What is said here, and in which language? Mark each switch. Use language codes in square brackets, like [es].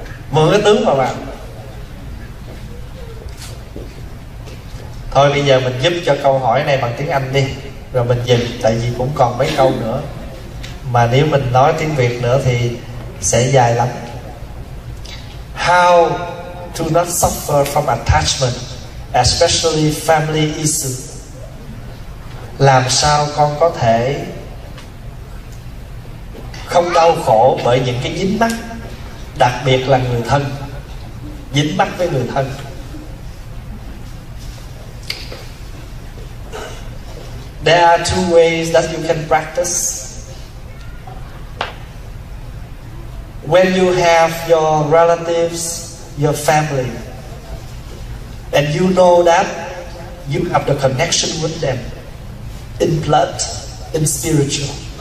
[vi] Mượn cái tướng mà vào. Thôi bây giờ mình giúp cho câu hỏi này bằng tiếng Anh đi, rồi mình dừng, tại vì cũng còn mấy câu nữa. Mà nếu mình nói tiếng Việt nữa thì sẽ dài lắm. [en] How to not suffer from attachment, especially family issue. [vi] Làm sao con có thể không đau khổ bởi những cái dính mắc, đặc biệt là người thân, dính mắc với người thân. [en] There are two ways that you can practice. When you have your relatives, your family, And you know that you have the connection with them in blood, in spiritual.